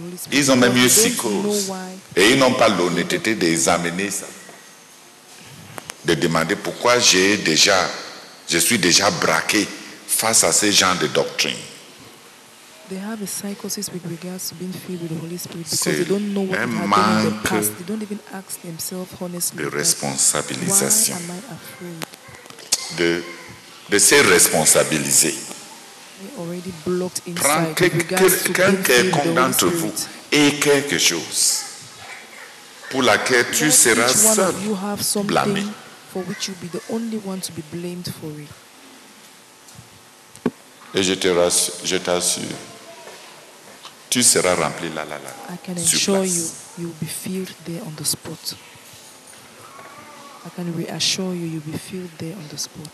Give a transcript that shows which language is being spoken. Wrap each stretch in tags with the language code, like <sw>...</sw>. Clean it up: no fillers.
<fr>Ils ont même une psychose. Et ils n'ont pas l'honnêteté d'examiner ça. De demander pourquoi je suis déjà braqué face à ce genre de doctrine.</fr> <en>They have a psychosis with regards to being filled with the Holy Spirit because they don't know what happened in the past. They don't even ask themselves honestly.</en> <fr>De responsabilisation.</fr> <en>Why am I afraid?</en> <fr>De se responsabiliser.</fr> <en>They already blocked inside.</en> <fr>Prends quelqu'un d'entre vous et quelque chose pour laquelle tu seras seul blâmé.</fr> <en>For which you'll be the only one to be blamed for it.</en> <fr>Et je t'assure, tu seras rempli là.</fr> <en>I can assure you, you will be filled there on the spot. I can reassure you, you will be filled there on the spot.</en>